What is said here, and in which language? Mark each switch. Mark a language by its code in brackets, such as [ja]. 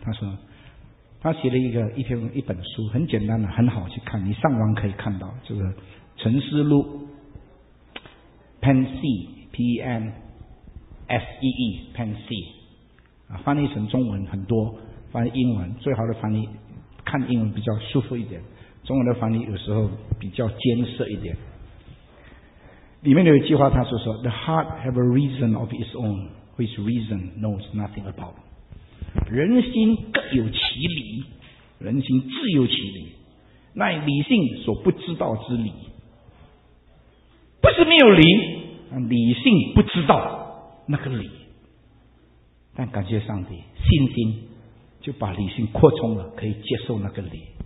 [zh] 他说他写了一本书，很简单的，很好去看，你上网可以看到，就是《沉思录》（Pensee P-E-N-S-E-E Pensee）， 翻译成中文很多，翻译英文最好的翻译，看英文比较舒服一点，中文的翻译有时候比较艰涩一点。里面有一句话，他说 [en] ：“The heart have a reason of its own。” Which reason knows nothing about. [zh] 人心各有其理，人心自有其理，乃理性所不知道之理。不是没有理，理性不知道那个理。但感谢上帝，信心就把理性扩充了，可以接受那个理。